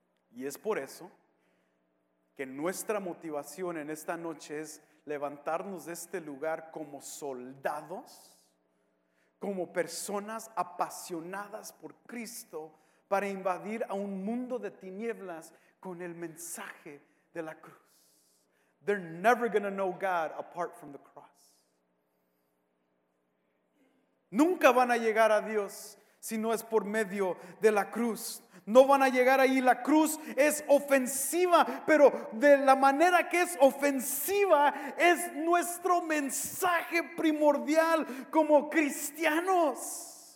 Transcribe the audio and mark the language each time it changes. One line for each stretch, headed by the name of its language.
Spanish: Y es por eso que nuestra motivación en esta noche es levantarnos de este lugar como soldados, como personas apasionadas por Cristo, para invadir a un mundo de tinieblas con el mensaje de la cruz.
English: They're never going to know God apart from the cross.
Spanish: Nunca van a llegar a Dios si no es por medio de la cruz. No van a llegar ahí. La cruz es ofensiva, pero de la manera que es ofensiva es nuestro mensaje primordial como cristianos.